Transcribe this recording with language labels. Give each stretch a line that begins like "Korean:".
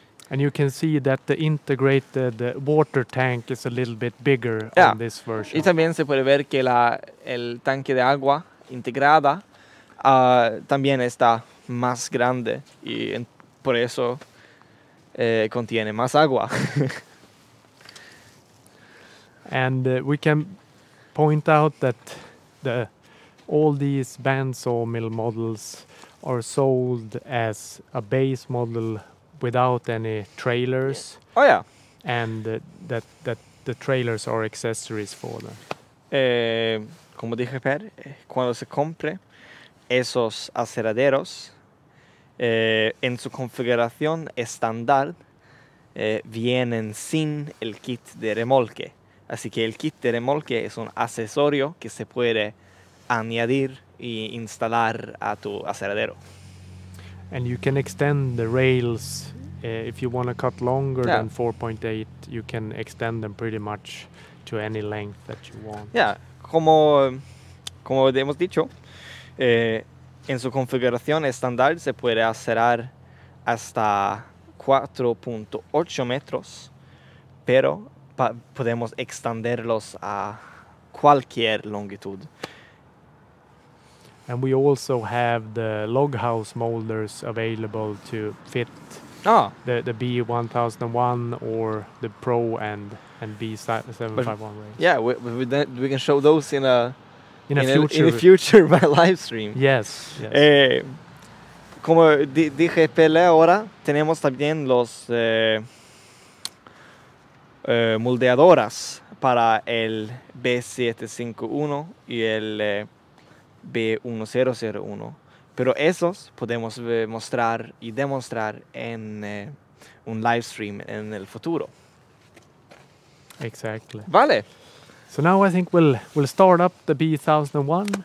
English: And you can see that the integrated water tank is a little bit bigger on this version.
Spanish: Y también se puede ver que el tanque de agua integrada también está más grande y por eso contiene más agua.
English: And we can point out that all these bandsaw mill models are sold as a base model without any trailers. Oh yeah. And that the trailers are accessories for them.
Spanish: Como dije, Per, cuando se compre esos aceraderos, en su configuración estándar vienen sin el kit de remolque. Así que el kit de remolque es un accesorio que se puede añadir e instalar a tu aceradero.
English: And you can extend the rails If you want to cut longer than 4.8, you can extend them pretty much to any length that you want.
Spanish: Yeah, como hemos dicho, en su configuración estándar se puede acerar hasta 4.8 metros, pero podemos extenderlos a cualquier longitud.
English: And we also have the log house molders available to fit the B1001 or the Pro and B751 range. Yeah, we can show those in a future by live stream. Yes.
Spanish: Como dije Pele, ahora tenemos también los moldeadoras para el B751 y el B1001, pero esos podemos mostrar y demostrar en un live stream en el futuro.
English: Exactly.
Spanish: Vale.
English: So now I think we'll start up the B1001.